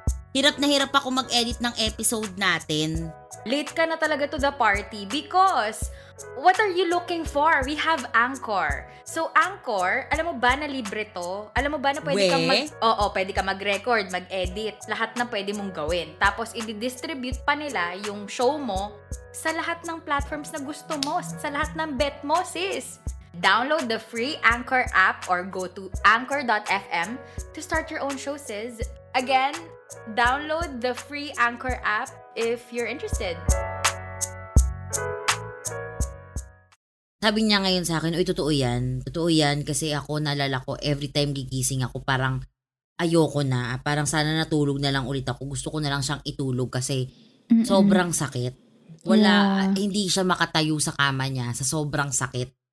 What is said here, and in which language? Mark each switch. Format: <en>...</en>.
<tl>Hirap na hirap ako mag-edit ng episode natin.</tl> <en>Late</en> <tl>ka na talaga</tl> <en>to the party because what are you looking for? We have Anchor.</en> <tl>So Anchor, alam mo ba na libre to? Alam mo ba na pwede ka mag-record, mag-edit, lahat na pwede mong gawin. Tapos i-distribute pa nila yung show mo sa lahat ng platforms na gusto mo, sa lahat ng bet mo, sis.</tl> <en>Download the free Anchor app or go to anchor.fm to start your own show, sis. Again, download the free Anchor app if you're interested.</en> <tl>Sabi niya ngayon sa akin, uy, totoo yan. Totoo yan kasi ako nalala ko</tl> <en>every time</en> <tl>gigising ako, parang ayoko na. Parang sana natulog na lang ulit ako. Gusto ko na lang siyang itulog kasi sobrang sakit. Wala, yeah. Hindi siya makatayo sa kama niya sa sobrang sakit.</tl>